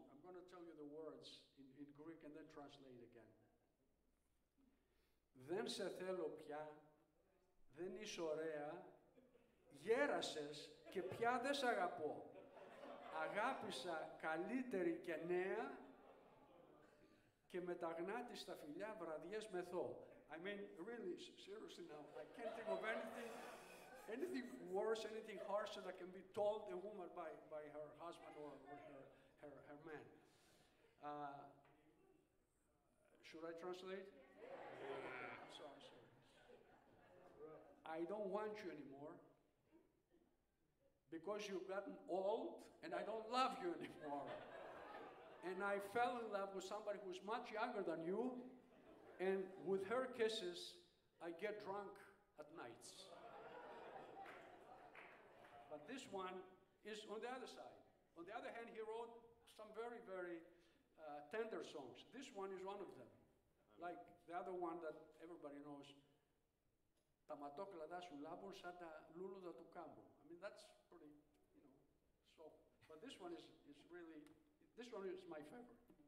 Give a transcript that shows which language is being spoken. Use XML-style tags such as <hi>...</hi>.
<en>I'm going to tell you the words in Greek and then translate again.</en> <el>Δεν σε θέλω πια, δεν είσαι ωραία, γέρασες και πια δεν σ' αγαπώ. Αγάπησα καλύτερη και νέα και με τα γνάτι στα φιλιά βραδιές μεθώ.</el> <en>I mean, really, seriously now, I can't think of anything worse, anything harsher that can be told a woman by her husband or her man. Should I translate? I don't want you anymore because you've gotten old and I don't love you anymore. And I fell in love with somebody who's much younger than you, and with her kisses I get drunk at nights. But this one is on the other side. On the other hand, he wrote some very, very tender songs. This one is one of them. Like the other one that everybody knows,</en> <el>τα ματόκλαδά σου λάμπουν σαν τα λούλουδα του κάμπου.</el> <en>I mean, that's pretty, you know, so. But this one is really, this one is my favorite.</en>